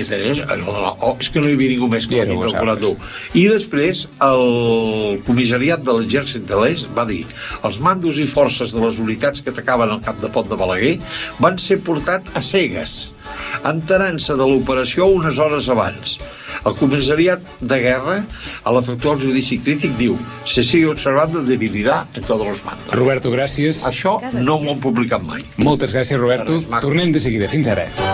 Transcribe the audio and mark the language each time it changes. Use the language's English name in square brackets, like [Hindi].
[Catalan] Entre ells, és que no hi havia ningú més que el 42. I després el comissariat de l'exèrcit de l'est va dir: els mandos i forces de les unitats que atacaven el cap de pont de Balaguer van ser portats a cegues, enterant-se de l'operació unes hores abans. El comissariat de guerra, a l'efectuar el judici crític, diu: [Spanish] se sigue observando debilidad en todos los mandos. [Catalan] Roberto, gràcies. Això no m'ho han publicat mai. Moltes gràcies, Roberto. Tornem de seguida. Fins ara.